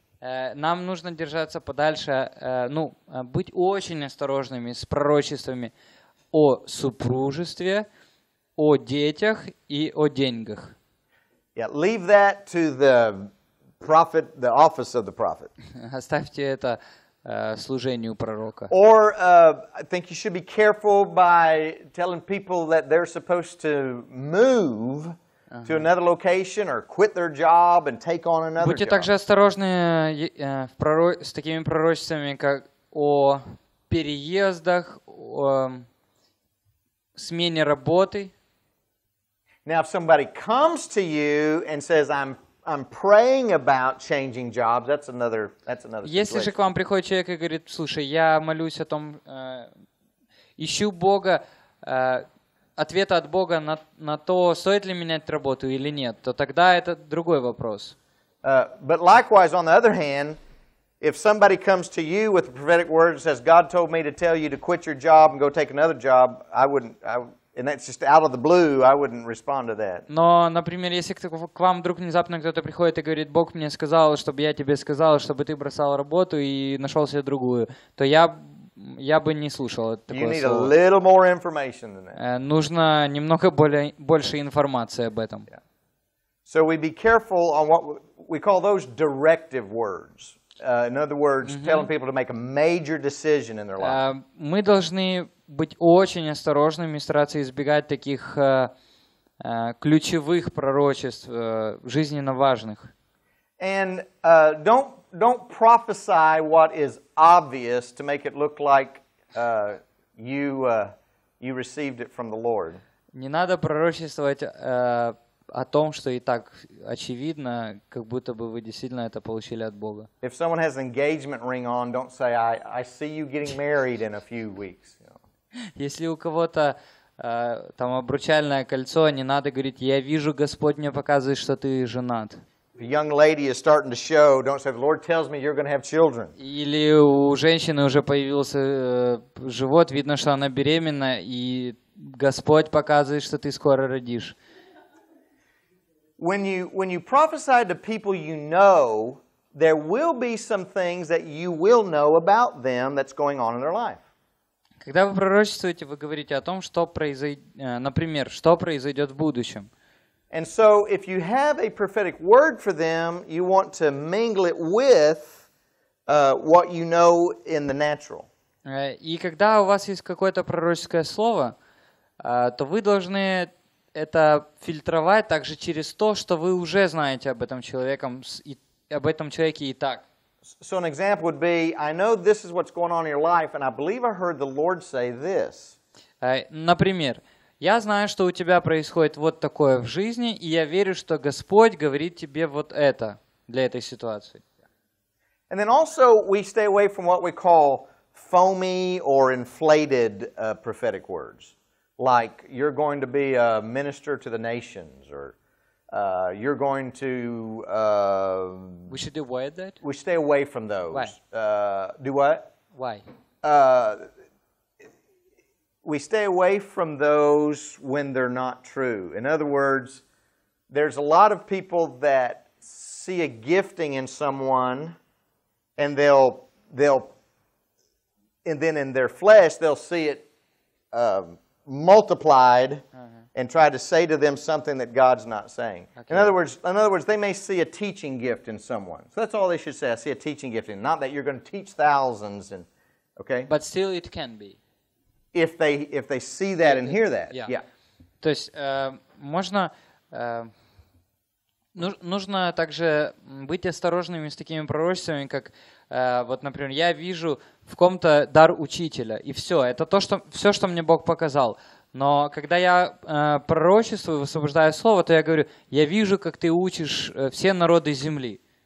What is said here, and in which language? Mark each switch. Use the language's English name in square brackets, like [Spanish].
[Russian] Нам нужно держаться подальше, быть очень осторожными с пророчествами о супружестве, о детях и о деньгах. [English] Yeah, leave that to the prophet, the office of the prophet. [Russian] Оставьте это служению пророка. [English] Or I think you should be careful by telling people that they're supposed to move to another location or quit their job and take on another [Russian] Будьте Будьте также осторожны с такими пророчествами, как о переездах, о смене работы. [English] Now, if somebody comes to you and says, "I'm praying about changing jobs," that's another situation. [Russian] Если же к вам приходит человек и говорит: "Слушай, я молюсь о том, ищу Бога, ответа от Бога на то, стоит ли менять работу или нет," то тогда это другой вопрос. [English] But likewise, on the other hand, if somebody comes to you with a prophetic word and says, "God told me to tell you to quit your job and go take another job," I wouldn't. And that's just out of the blue, I wouldn't respond to that. [Russian] Но, например, если к вам вдруг внезапно кто-то приходит и говорит: Бог мне сказал, чтобы я тебе сказал, чтобы ты бросал работу и нашел себе другую, то я бы не слушал такое слово. [English] You need a little more information than that. [Russian] Нужно немного больше информации об этом. [English] So we be careful on what we call those directive words. In other words, mm-hmm. telling people to make a major decision in their life. [Russian] Мы должны быть очень осторожными и стараться избегать таких ключевых пророчеств, жизненно важных. [English] And don't prophesy what is obvious to make it look like you received it from the Lord. [Russian] Не надо пророчествовать о том, что и так очевидно, как будто бы вы действительно это получили от Бога. [English] If someone has an engagement ring on, don't say, I see you getting married in a few weeks. [Russian] Если у кого-то там обручальное кольцо, не надо говорить, я вижу, Господь мне показывает, что ты женат. [English] If a young lady is starting to show, don't say, the Lord tells me you're going to have children. [Russian] Или у женщины уже появился живот, видно, что она беременна, и Господь показывает, что ты скоро родишь. [English] When you prophesy to people you know, there will be some things that you will know about them that's going on in their life. [Russian] Когда вы пророчествуете, вы говорите о том, что например, что произойдет в будущем. [English] And so if you have a prophetic word for them, you want to mingle it with what you know in the natural. [Russian] И когда у вас есть какое-то пророческое слово, то вы должны это фильтровать также через то, что вы уже знаете об этом человеке и так. [English] So an example would be, I know this is what's going on in your life, and I believe I heard the Lord say this. [Russian] Например, я знаю, что у тебя происходит вот такое в жизни, и я верю, что Господь говорит тебе вот это для этой ситуации. [English] And then also we stay away from what we call foamy or inflated prophetic words. Like you're going to be a minister to the nations, or you're going to. We should avoid that. We stay away from those. Why? Do what? Why? We stay away from those when they're not true. In other words, there's a lot of people that see a gifting in someone, and then in their flesh they'll see it. Multiplied and try to say to them something that God's not saying. Okay. In other words, they may see a teaching gift in someone. So that's all they should say. I see a teaching gift in. Not that you're going to teach thousands and okay. But still it can be. If they see that and hear that. Yeah. [Russian] То есть можно нужно также быть осторожными с такими пророчествами, как вот, например, я вижу в ком-то дар учителя, и все. Это все, что мне Бог показал. Но когда я пророчествую, высвобождаю слово, то я говорю, я вижу, как ты учишь все народы земли.